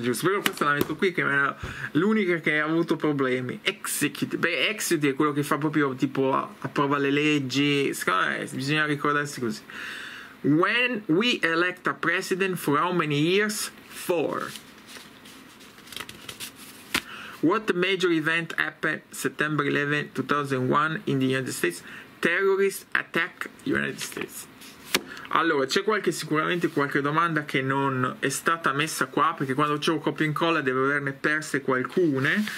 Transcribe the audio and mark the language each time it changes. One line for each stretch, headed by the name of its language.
Italian: Però questa la metto qui, che è l'unica che ha avuto problemi. Executive. Beh, executive è quello che fa proprio, tipo, approva le leggi. Secondo me bisogna ricordarsi così.
English: When we elect a president, for how many years? 4. What major event happened September 11, 2001 in the United States? Terrorist attack United States.
Italian: Allora, c'è sicuramente qualche domanda che non è stata messa qua, perché quando c'ho copia e incolla devo averne perse qualcuna.